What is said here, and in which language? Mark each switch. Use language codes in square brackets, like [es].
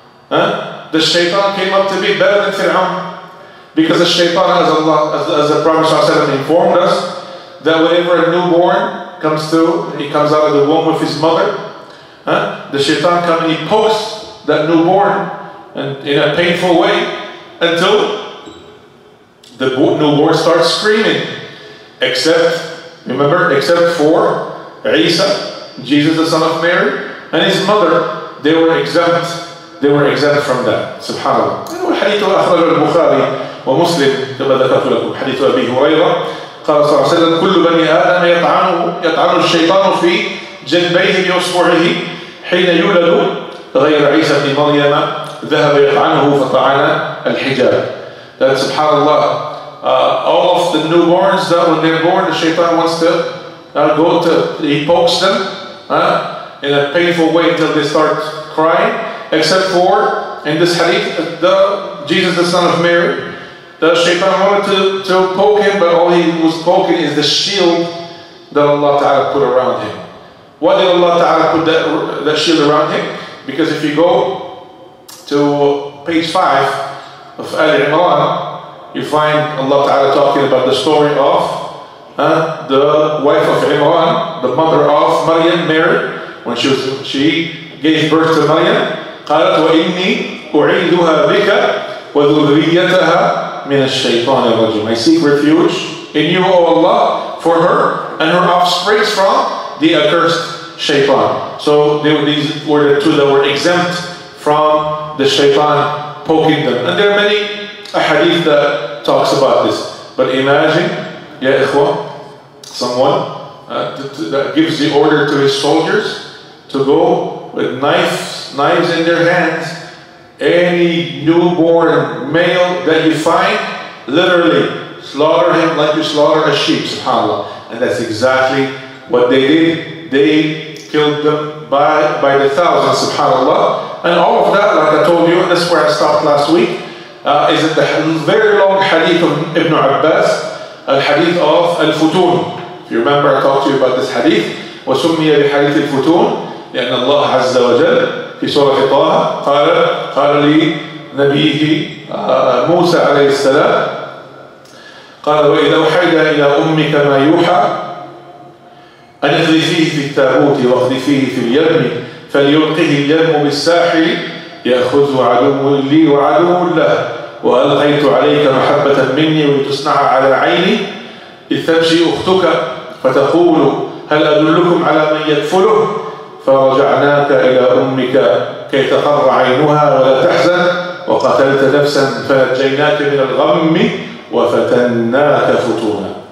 [en] The shaytan came up to be better than Fir'aun. Because the shaytan, as the Prophet ﷺ informed us, that whenever a newborn comes through, he comes out of the womb of his mother, the shaytan comes and he pokes that newborn and in a painful way until the newborn starts screaming. Except for Isa, Jesus the son of Mary, and his mother, they were exempt from that. SubhanAllah. [ar] حديث أخرجه البخاري ومسلم كما ذكرت لكم حديث أبي هريرة قال صلى الله عليه وسلم كل بني آدم يطعن الشيطان في جنبيه بأصبعه حين يولد غير عيسى بن مريم ذهب يطعنه فطعن الحجاب. [en] That subhanAllah, all of the newborns, that when they're born, the shaytan wants to he pokes them in a painful way until they start crying, except for, in this hadith, the Jesus the son of Mary, the shaytan wanted to poke him, but all he was poking is the shield that Allah Ta'ala put around him. Why did Allah Ta'ala put that shield around him? Because if you go to page 5 of Ali Imran, you find Allah Ta'ala talking about the story of the wife of Imran, the mother of Maryam, Mary, when she gave birth to Maryam. [ar] قالت وإني أعيدها بك وذريتها من الشيطان الرجيم. [en] I seek refuge in you, O Allah, for her and her offsprings from the accursed shaytan. So these were the two that were exempt from the shaytan poking them. And there are many a hadith that talks about this. But imagine, ya ikhwan, someone that gives the order to his soldiers to go with knives in their hands. Any newborn male that you find, literally slaughter him like you slaughter a sheep, subhanAllah. And that's exactly what they did. They killed them by the thousands, subhanAllah. And all of that, like I told you, and that's where I stopped last week, is in the very long hadith of Ibn Abbas, al hadith of al Futun. If you remember, I talked to you about this hadith. [ar] وَسُمِّيَ بِحَدِيثِ الْفُتُونِ لِأَنَّ اللَّهَ عَزَّ وَجَلَّ في سورة طه قال لي نبيه موسى عليه السلام قال وإذا أوحينا إلى أمك ما يوحى أن اقذفيه في التابوت واقذفيه في اليم فليلقه اليم بالساحل يأخذه عدو لي وعدو له وألقيت عليك محبة مني وتصنع على عيني إذ تمشي أختك فتقول هل أدلكم على من يكفله فرجعناك إلى أمك كي تقر عينها ولا تحزن وقتلت نفسا فنجيناك من الغم وفتناك فتونا.